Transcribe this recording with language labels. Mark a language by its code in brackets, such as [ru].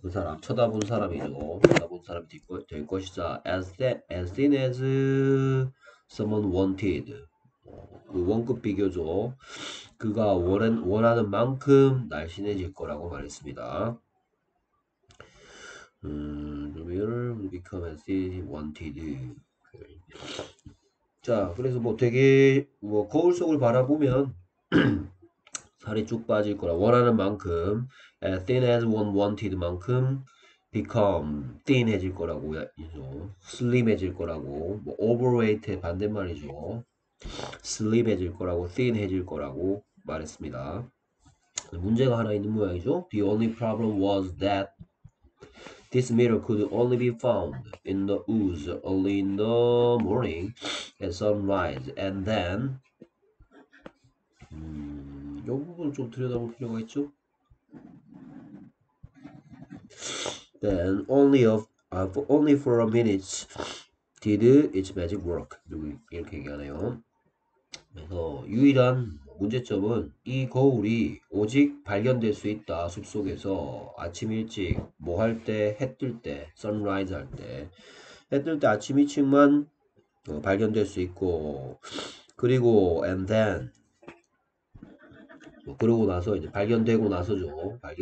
[ko] 그 사람 쳐다본 사람이죠. 쳐다본 사람이 될 것이자 [en] as soon as someone wanted [ko] 원급 비교죠. 그가 원하는 만큼 날씬해질 거라고 말했습니다. [en] The mirror would become as soon as wanted. [ko] 자, 그래서 뭐 되게 뭐 거울 속을 바라보면 살이 쭉 빠질 거라 원하는 만큼 [en] as thin as one wanted [ko] 만큼 become thin해질 거라고 slim해질 거라고 뭐 overweight의 반대말이죠. slim해질 거라고 thin해질 거라고 말했습니다. 문제가 하나 있는 모양이죠. [en] The only problem was that This mirror could only be found in the woods early in the morning at sunrise, and then [ko] 이 부분을 좀 들여다볼 필요가 있죠. [en] Then only for a minute did its magic work. [ko] 이렇게 얘기하네요. 그래서 유일한 문제점은 이 거울이 오직 발견될 수 있다. 숲속에서 아침 일찍 뭐할 때? 해뜰 때, sunrise 할 때. 해뜰때 아침 일찍만 발견될 수 있고 그리고 and then 뭐 그러고 나서 이제 발견되고 나서죠.